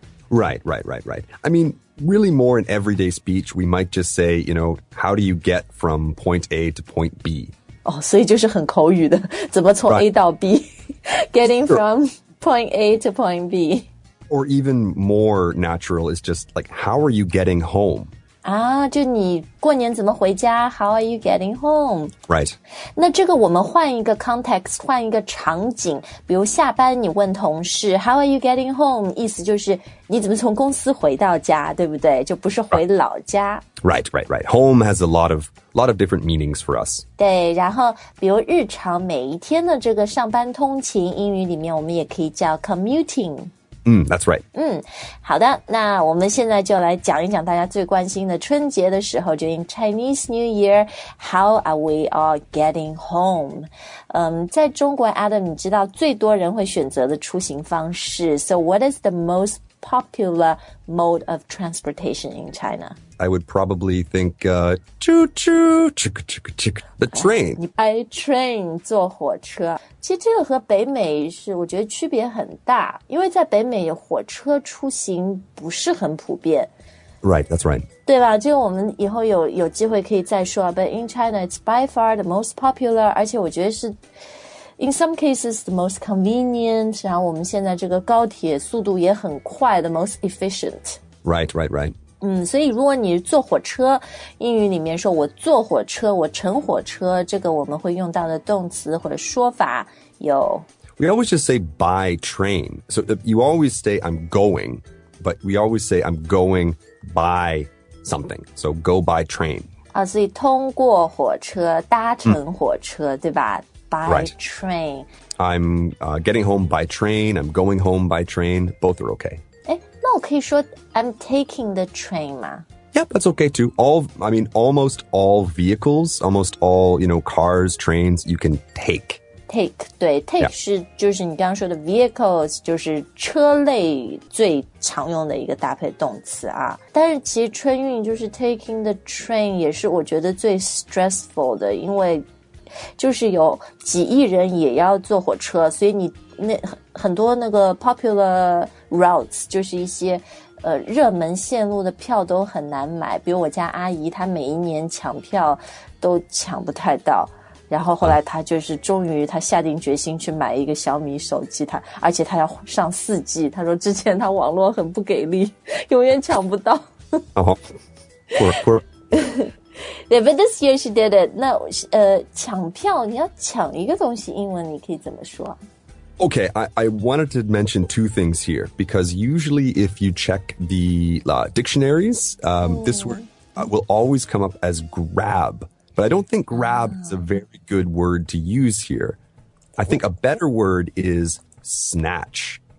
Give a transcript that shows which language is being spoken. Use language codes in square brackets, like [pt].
[en] Right, right, right, right. I mean, really more in everyday speech, we might just say, you know, how do you get from point A to point B? [zh] 所以就是很口语的，怎么从 A 到 B? [en] Getting from point A to point B. Or even more natural is just like, how are you getting home? [zh] 就你过年怎么回家? [en] How are you getting home? Right. [zh] 那这个我们换一个 context, 换一个场景。比如下班你问同事, [en] how are you getting home? [zh] 意思就是你怎么从公司回到家,对不对? 就不是回老家。 [en] Right, right, right. Home has a lot of different meanings for us. [zh] 对,然后比如日常每一天的这个上班通勤,英语里面我们也可以叫 commuting。 [en] That's right. [zh] 好的，那我们现在就来讲一讲大家最关心的春节的时候 , [en] during Chinese New Year, how are we all getting home? [zh] 在中国 ,Adam, 你知道最多人会选择的出行方式。 [en] So what is the most popular mode of transportation in China? I would probably think, choo-choo, chick-chick-chick, the train. By train, [zh] 坐火车。其实这个和北美是我觉得区别很大，因为在北美火车出行不是很普遍。 [en] Right, that's right. [zh] 对吧，这个我们以后有机会可以再说。 [en] But in China, it's by far the most popular, [zh] 而且我觉得是 [en] in some cases the most convenient, [zh] 然后我们现在这个高铁速度也很快 [en] the most efficient. Right, right, right. [zh] 所以如果你坐火车，英语里面说我坐火车，我乘火车，这个我们会用到的动词或者说法有。 [en] We always just say by train. So you always say I'm going, but we always say I'm going by something. So go by train. [zh] 所以通过火车，搭乘火车，对吧？ [en] By train. I'm getting home by train. I'm going home by train. Both are okay. [zh] 那我可以说 [en] I'm taking the train [zh] 吗? [en] Yeah, that's okay too. Almost all vehicles, almost all, you know, cars, trains, you can take. [zh] Take, 对 [en] take、yeah. [zh] 是就是你刚刚说的 vehicles, 就是车类最常用的一个搭配动词啊。但是其实春运就是 [en] taking the train [zh] 也是我觉得最 stressful 的，因为就是有几亿人也要坐火车，所以你那很多那个 [en] popular routes [zh] 就是一些热门线路的票都很难买，比如我家阿姨她每一年抢票都抢不太到，然后后来她就是终于她下定决心去买一个小米手机，她而且她要上 4G， 她说之前她网络很不给力，永远抢不到。 [en] Yeah, but this year she did it. [zh] 那抢票，你要抢一个东西，英文你可以怎么说？ [en] Okay, I wanted to mention two things here, because usually if you check the dictionaries, this word will always come up as grab, but I don't think grab is a very good word to use here. I think a better word is snatch.